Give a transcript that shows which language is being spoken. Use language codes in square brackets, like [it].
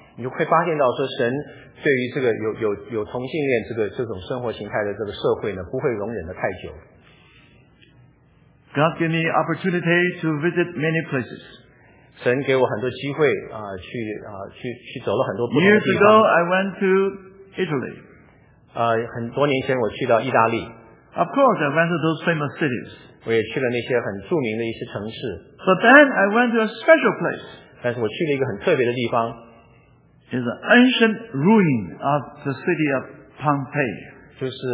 [zh] 你就会发现到说神对于这个有同性恋这种生活形态的这个社会呢不会容忍的太久。 [en] God gave me opportunity to visit many places. [zh] 神给我很多机会去走了很多不同的地方。 [en] Years ago, I went to Italy. [zh] 很多年前我去到意大利。 [en] Of course, I went to those famous cities. [zh] 我也去了那些很著名的一些城市。 [en] But then I went to a special place. [zh] 但是我去了一个很特别的地方。 [en] It's an ancient ruin of the city of Pompeii.